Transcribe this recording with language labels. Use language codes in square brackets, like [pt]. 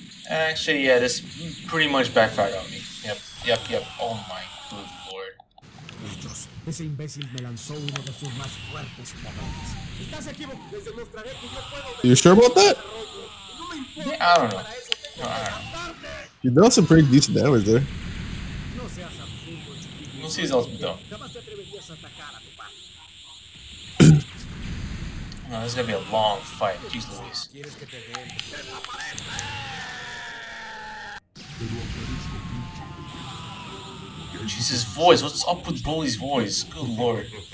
[en] Actually, yeah, this pretty much backfired on me. Yep. Oh my good lord. [es] Ese imbécil me lanzó uno de sus más fuertes cañones. ¿Estás equivocado? Les demostraré que yo puedo. [en] You sure about that? Yeah, I don't know. No, you dealt some pretty decent damage there. [es] No seas absurdo. No seas absurdo. Jamás te atreverías a atacar a tu padre. [en] No, this is gonna be a long fight. Jeez Louise. [es] ¿Quieres que te den? [en] Jesus, voice. What's up with Broly's voice? Good lord.